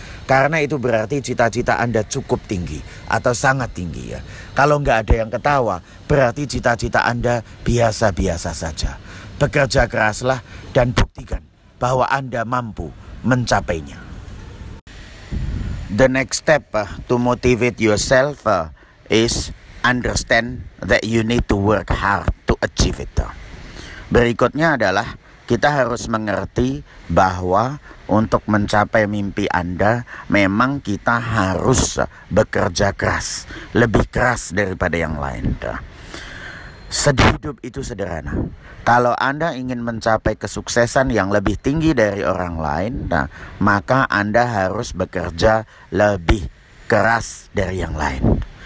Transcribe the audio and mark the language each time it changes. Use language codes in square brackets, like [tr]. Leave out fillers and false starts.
[id] Karena itu berarti cita-cita Anda cukup tinggi atau sangat tinggi ya. Kalau nggak ada yang ketawa, berarti cita-cita Anda biasa-biasa saja. Bekerja keraslah dan buktikan bahwa Anda mampu mencapainya. [en] The next step to motivate yourself is understand that you need to work hard to achieve it. [id] Berikutnya adalah kita harus mengerti bahwa untuk mencapai mimpi Anda, memang kita harus bekerja keras, lebih keras daripada yang lain. Hidup itu sederhana. Kalau Anda ingin mencapai kesuksesan yang lebih tinggi dari orang lain, maka Anda harus bekerja lebih keras dari yang lain.